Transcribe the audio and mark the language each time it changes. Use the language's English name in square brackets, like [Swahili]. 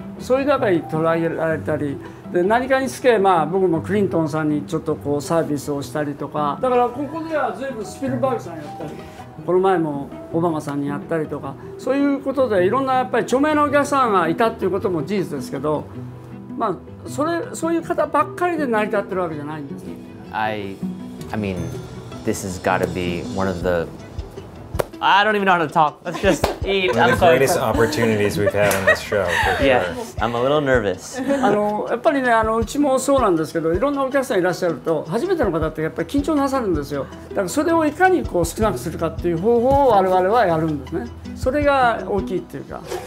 [Japanese] そういう中に捉えられたり、で何かにつけ、まあ、僕もクリントンさんにちょっとこうサービスをしたりとか、だからここでは随分スピルバーグさんやったり、この前もオバマさんにやったりとか、そういうことでいろんなやっぱり著名なお客さんがいたっていうことも事実ですけど、まあ、そういう方ばっかりで成り立ってるわけじゃないんです。 [English] I mean, this has got to be one of the I don't even know how to talk. Let's just eat. One of the greatest opportunities we've had on this show, for sure. Yeah, I'm a little nervous. [Japanese] やっぱりね、うちもそうなんですけど、いろんなお客さんいらっしゃると、初めての方ってやっぱり緊張なさるんですよ。だからそれをいかにこう少なくするかっていう方法を我々はやるんですね。それが大きいっていうか。